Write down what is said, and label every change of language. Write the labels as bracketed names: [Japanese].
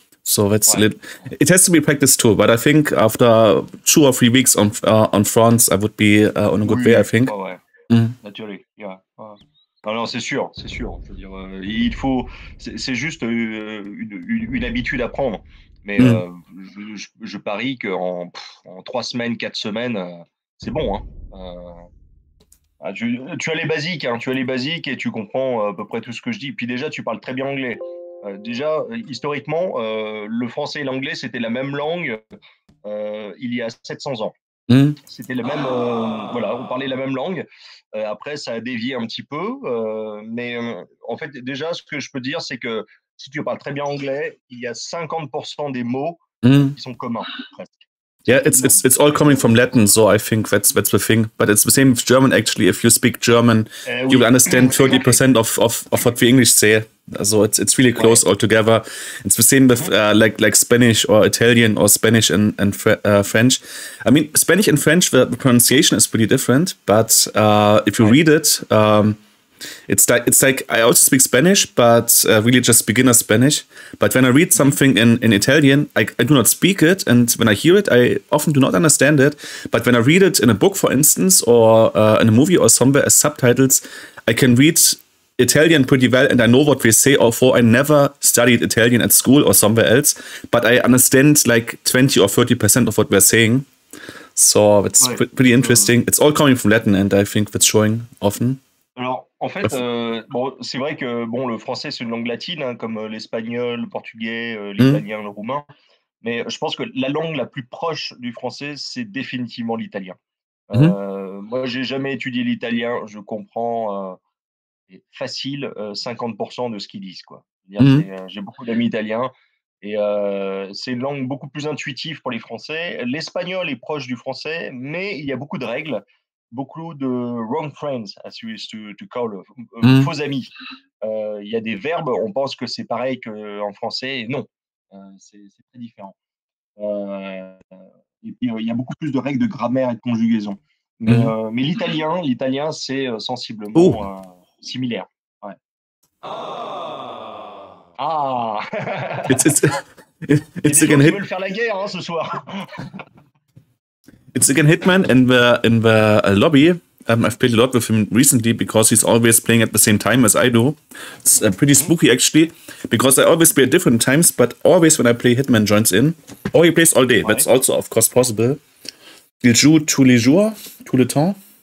[English] So that's it has to be practiced too. But I think after 2 or 3 weeks on France, I would be on a good way, I think. Naturally, yeah. [French] Non, c'est sûr. Je veux dire, il faut, c'est juste une habitude à prendre. Mais je parie qu'en 3 semaines, 4 semaines, c'est bon. Hein. Tu as les basiques, hein, tu as les basiques et tu comprends à peu près tout ce que je dis. Puis déjà, tu parles très bien anglais. Déjà, historiquement, le français et l'anglais, c'était la même langue il y a 700 ans. Mmh. C'était le même, voilà, on parlait la même langue. Après, ça a dévié un petit peu. Mais en fait, déjà, ce que je peux dire, c'est que si tu parles très bien anglais, il y a 50% des mots qui sont communs, presque. [English] Yeah, it's all coming from Latin, so I think that's the thing. But it's the same with German, actually. If you speak German, you will understand 30% of what the English say. So it's really close all together. It's the same with like Spanish or Italian or Spanish and French. I mean, Spanish and French, the pronunciation is pretty different. But if you read it... It's like I also speak Spanish, but really just beginner Spanish. But when I read something in Italian, I do not speak it, and when I hear it, I often do not understand it. But when I read it in a book, for instance, or in a movie or somewhere as subtitles, I can read Italian pretty well, and I know what they say, although I never studied Italian at school or somewhere else. But I understand like 20 or 30% of what they're saying. So it's pretty interesting. It's all coming from Latin, and I think that's showing often. [French] Alors, en fait, bon, c'est vrai que bon, le français, c'est une langue latine, hein, comme l'espagnol, le portugais, l'italien, le roumain. Mais je pense que la langue la plus proche du français, c'est définitivement l'italien. Moi, je n'ai jamais étudié l'italien. Je comprends facile 50% de ce qu'ils disent, quoi. C'est-à-dire, j'ai beaucoup d'amis italiens et c'est une langue beaucoup plus intuitive pour les Français. L'espagnol est proche du français, mais il y a beaucoup de règles. Beaucoup de [English] wrong friends, as you used to call, [French] faux amis. Y a des verbes, on pense que c'est pareil qu'en français, non, c'est très différent. Et puis, y a beaucoup plus de règles de grammaire et de conjugaison. Mais l'italien, c'est sensiblement similaire. Ouais. Ah. [English] It's again. [French] Ils veulent faire la guerre, hein, ce soir. [English] It's again Hitman in the lobby. I've played a lot with him recently because he's always playing at the same time as I do. It's pretty spooky, actually, because I always play at different times, but always when I play, Hitman joins in. Or he plays all day. Right. That's also, of course, possible. [French] Il joue tous les jours, tout le temps.